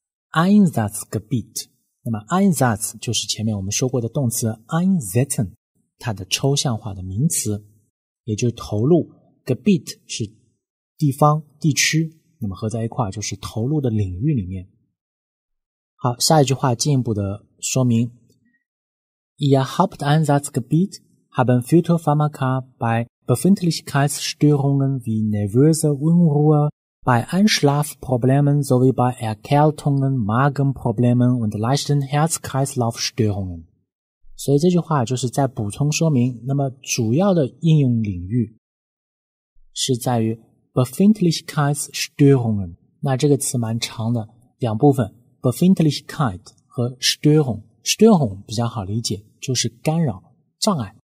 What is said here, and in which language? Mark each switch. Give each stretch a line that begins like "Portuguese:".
Chinese: Einsatzgebiet， 那么 Einsatz 就是前面我们说过的动词 Einsetzen， 它的抽象化的名词，也就是投入。 Gebiet 是地方地区，那么合在一块就是投入的领域里面。好，下一句话进一步的说明，
German: Ihr Haupteinsatzgebiet haben Phytopharmaka bei Befindlichkeitsstörungen wie nervöse Unruhe, bei Einschlafproblemen sowie bei Erkältungen, Magenproblemen und leichten Herz-Kreislauf-Störungen。
Chinese: 所以这句话就是在补充说明，那么主要的应用领域是在于Befindlichkeitsstörungen， 那这个词蛮长的，两部分 Befindlichkeit 和 Störung， Störung 比较好理解，就是干扰障碍。